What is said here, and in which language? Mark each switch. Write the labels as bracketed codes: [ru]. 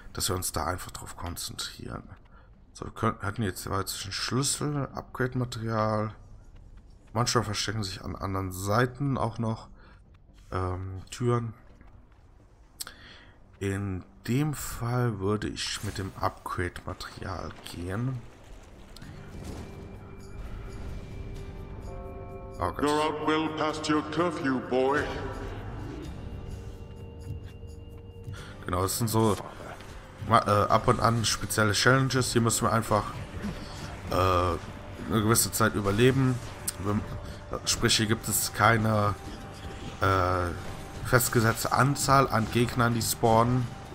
[de] Dass wir uns da einfach drauf konzentrieren. So, wir hatten jetzt jeweils zwischen Schlüssel, Upgrade-Material. Manchmal verstecken sich an anderen Seiten auch noch Türen. In dem Fall würde ich mit dem Upgrade-Material gehen. Oh Gott. [en] You're out well past your curfew, boy. [de] Genau, es sind so. Ab und an spezielle Challenges. Hier müssen wir einfach eine gewisse Zeit überleben. Sprich, hier gibt es keine festgesetzte Anzahl an Gegnern, die spawnen.